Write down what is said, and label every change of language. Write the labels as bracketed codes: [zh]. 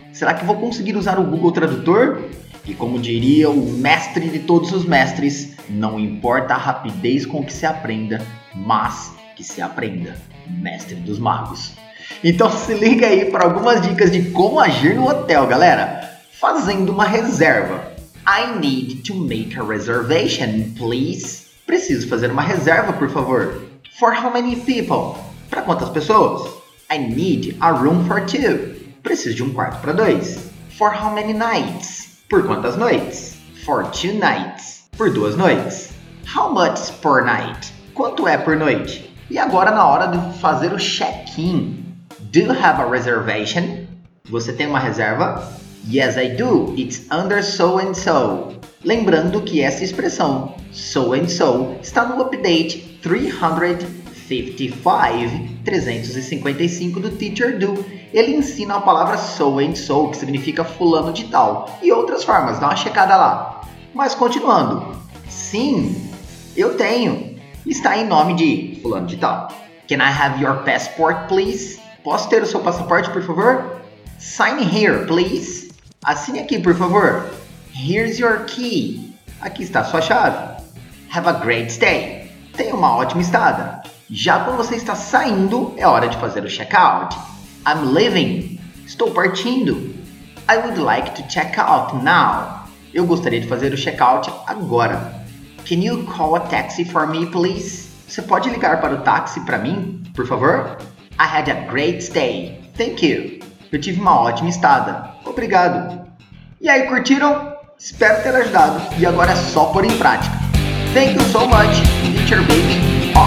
[pt] Será que vou conseguir usar o Google Tradutor? E como diria o mestre de todos os mestres, não importa a rapidez com que se aprenda, mas que se aprenda, mestre dos magos. Então se liga aí para algumas dicas de como agir no hotel, galera. Fazendo uma reserva. [en] I need to make a reservation, please. [pt] Preciso fazer uma reserva, por favor. [en] For how many people? [pt] Para quantas pessoas? [en] I need a room for two. [pt] Preciso de um quarto para dois. [en] For how many nights? [pt] Por quantas noites? [en] For two nights. [pt] Por duas noites. [en] How much per night? [pt] Quanto é por noite? E agora na hora de fazer o check-in. [en] Do you have a reservation? [pt] Você tem uma reserva? [en] Yes, I do. It's under so and so. [pt] Lembrando que essa expressão, so and so, está no update 355 do Teacher Do. Ele ensina a palavra so and so, que significa fulano de tal, e outras formas, dá uma checada lá. Mas continuando, sim, eu tenho, está em nome de fulano de tal. [en] Can I have your passport, please? [pt] Posso ter o seu passaporte, por favor? [en] Sign here, please. [pt] Assine aqui, por favor. [en] Here's your key. [pt] Aqui está a sua chave. [en] Have a great stay. [pt] Tenha uma ótima estada. Já quando você está saindo, é hora de fazer o check-out. [en] I'm leaving. [pt] Estou partindo. [en] I would like to check out now. [pt] Eu gostaria de fazer o check-out agora. [en] Can you call a taxi for me, please? [pt] Você pode ligar para o táxi para mim, por favor? [en] I had a great stay. Thank you. [pt] Eu tive uma ótima estada. Obrigado. E aí, curtiram? Espero ter ajudado. E agora é só pôr em prática. [en] Thank you so much, [pt] Teacher Baby.